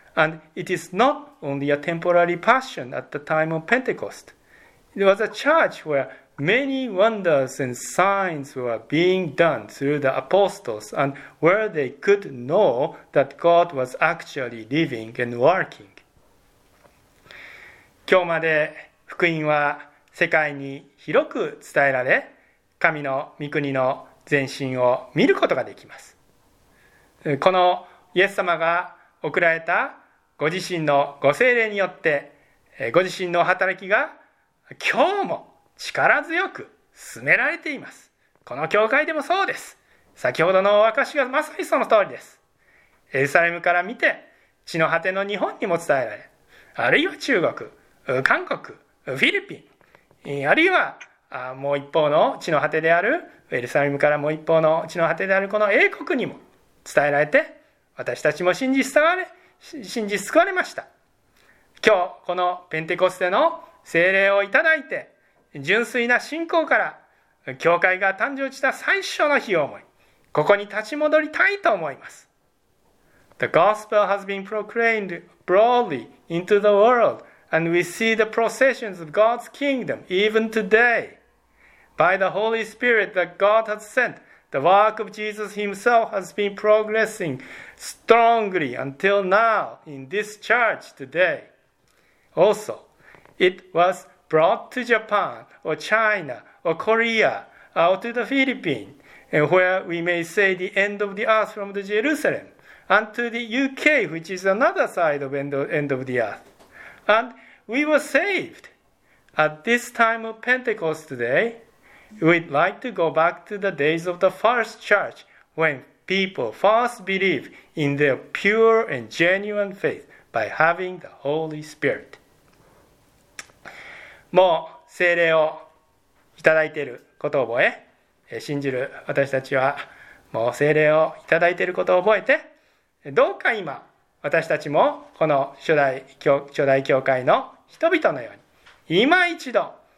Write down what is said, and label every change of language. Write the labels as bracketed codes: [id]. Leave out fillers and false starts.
[en] And it is not only a temporary passion at the time of Pentecost. It was a church where many wonders and signs were being done through the apostles, and where they could know that God was actually living and working. [ja] 今日まで福音は世界に広く伝えられ、神の御国の前進を見ることができます。このイエス様が送られたご自身のご聖霊によって、ご自身の働きが今日も力強く進められています。この教会でもそうです。先ほどのお証がまさにその通りです。エルサレムから見て地の果ての日本にも伝えられ、あるいは中国、韓国、フィリピン、あるいはもう一方の地の果てであるエルサレムからもう一方の地の果てであるこの英国にも伝えられて、私たちも信じ救われました。今日このペンテコステの聖霊をいただいて、純粋な信仰から教会が誕生した最初の日を思い、ここに立ち戻りたいと思います。 [en] The gospel has been proclaimed broadly into the worldAnd we see the processions of God's kingdom even today. By the Holy Spirit that God has sent, the work of Jesus himself has been progressing strongly until now in this church today. Also, it was brought to Japan or China or Korea or to the Philippines, and where we may say the end of the earth from the Jerusalem, and to the UK, which is another side of end of the earth. AndWe were saved. At this time of Pentecost today, we'd like to go back to the days of the first church when people first believed in their pure and genuine faith by having the Holy Spirit. [ja] もう聖霊をいただいていることを覚え、信じる私たちはもう聖霊をいただいていることを覚えて、どうか今私たちもこの初代教会の人々のように、今一度、